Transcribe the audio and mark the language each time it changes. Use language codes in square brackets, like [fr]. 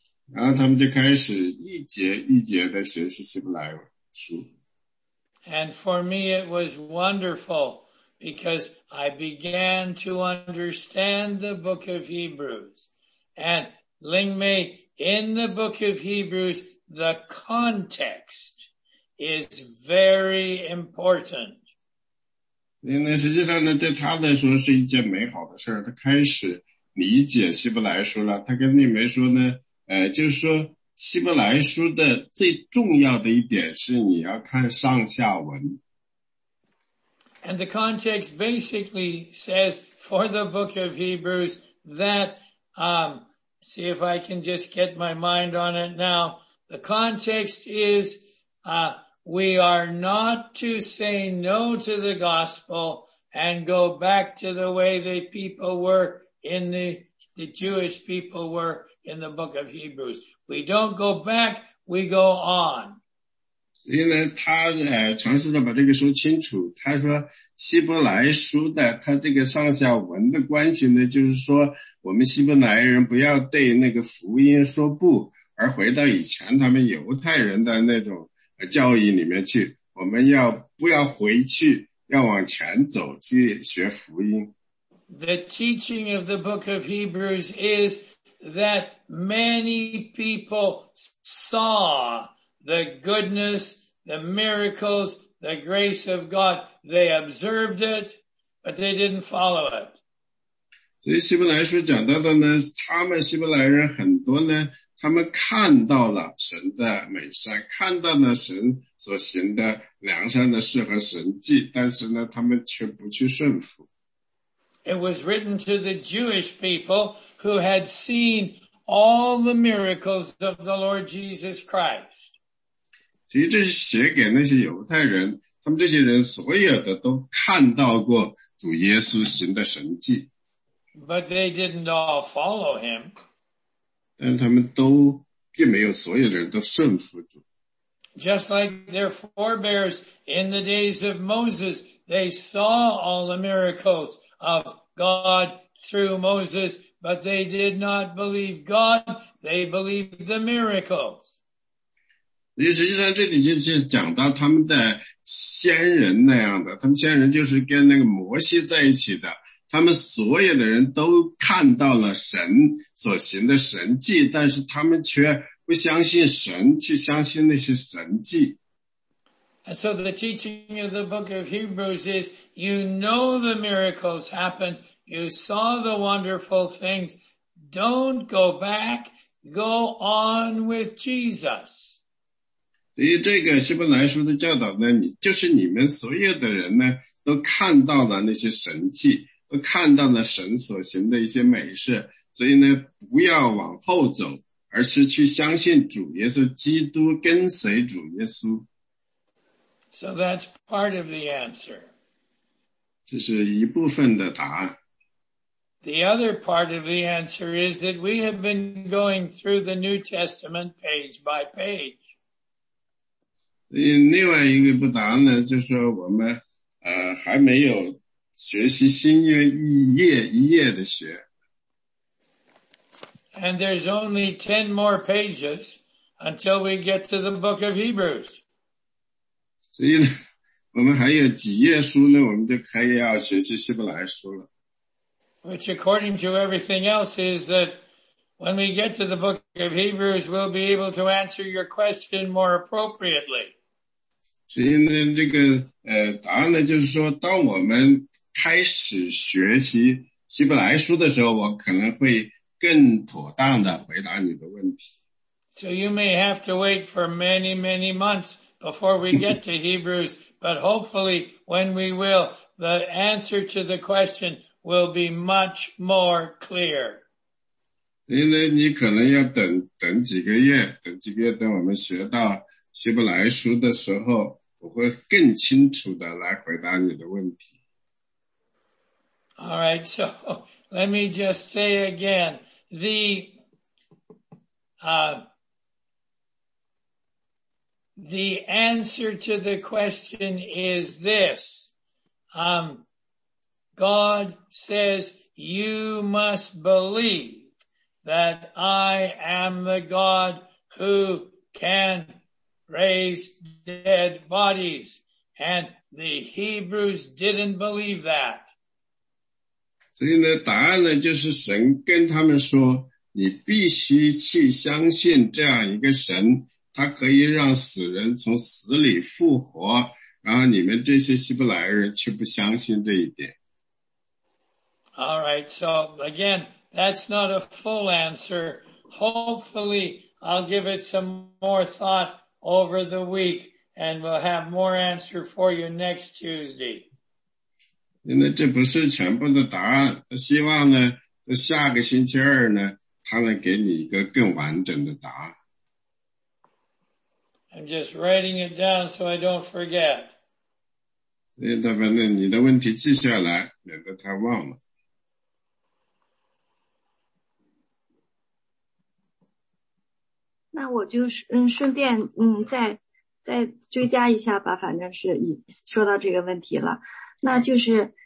[zh] 然后他们就开始一节一节的学习希伯来书。 [en] And for me it was wonderful because I began to understand the book of Hebrews. And Ling Mei, in the book of Hebrews, the context is very important. [zh] 因为实际上呢，对他来说是一件美好的事，他开始理解希伯来书了。他跟利梅说呢，就是说希伯来书的最重要的一点是你要看上下文。 [en] And the context basically says for the book of Hebrews that, see if I can just get my mind on it now. The context is, we are not to say no to the gospel and go back to the way the people were in the Jewish people were in the book of Hebrews. We don't go back, we go on. [zh] 所以呢，他尝试着把这个说清楚。他说希伯来书的他这个上下文的关系呢，就是说我们希伯来人不要对那个福音说不，而回到以前他们犹太人的那种教义里面去，我们要不要回去，要往前走去学福音。 [en] The teaching of the book of Hebrews is that many people saw the goodness, the miracles, the grace of God. They observed it, but they didn't follow it. [zh] 所以希伯来书讲到的呢，他们希伯来人很多呢，他们看到了神的美善，看到了神所行的良善的事和神迹，但是呢，他们却不去顺服。 [en] It was written to the Jewish people who had seen all the miracles of the Lord Jesus Christ. [zh] 其实这是写给那些犹太人，他们这些人所有的都看到过主耶稣行的神迹。 [en] But they didn't all follow him. [zh] 但他们都并没有所有的人都顺服主。 [en] Just like their forebears in the days of Moses, they saw all the miracles of God through Moses, but they did not believe God, they believed the miracles. [zh] 实际上这里就是讲到他们的先人那样的，他们先人就是跟那个摩西在一起的，他们所有的人都看到了神所行的神迹，但是他们却不相信神，去相信那些神迹。 [en] And so the teaching of the book of Hebrews is, you know the miracles happened, you saw the wonderful things, don't go back, go on with Jesus. [zh] 所以这个希伯来书的教导呢，就是你们所有的人呢，都看到了那些神迹，都看到了神所行的一些美事，所以呢，不要往后走，而是去相信主耶稣基督，跟随主耶稣。 [en] So that's part of the answer. [zh] 这是一部分的答案。 [en] The other part of the answer is that we have been going through the New Testament page by page. [zh] 所以另外一个不答案呢，就是我们还没有学习新约一页一页的学。 [en] And there's only 10 more pages until we get to the book of Hebrews. [zh] 所以呢，我们还有几页书呢，我们就可以要学习希伯来书了。 [en] Which according to everything else is that when we get to the book of Hebrews, we'll be able to answer your question more appropriately. [zh] 所以呢，这个答案呢，就是说当我们开始学习希伯来书的时候，我可能会更妥当的回答你的问题。 [en] So you may have to wait for many, many months before we get to Hebrews, but hopefully when we will, the answer to the question will be much more clear. [zh] 因为你可能要等几个月，等我们学到希伯来书的时候，我会更清楚的来回答你的问题。 [en] All right, so let me just say again, the answer to the question is this. God says, you must believe that I am the God who can raise dead bodies. And the Hebrews didn't believe that. [zh] 所以呢，答案呢，就是神跟他们说，你必须去相信这样一个神，他可以让死人从死里复活，然后你们这些希伯来人却不相信这一点。 [en] All right, so again, that's not a full answer. Hopefully, I'll give it some more thought over the week, and we'll have more answer for you next Tuesday. [zh] 因为这不是全部的答案，他希望呢，在下个星期二呢，他能给你一个更完整的答案。 [en] I'm just writing it down so I don't forget. [zh] 所以他把那你的问题记下来，免得他忘了。那我就顺便再追加一下吧，反正是已说到这个问题了，那就是。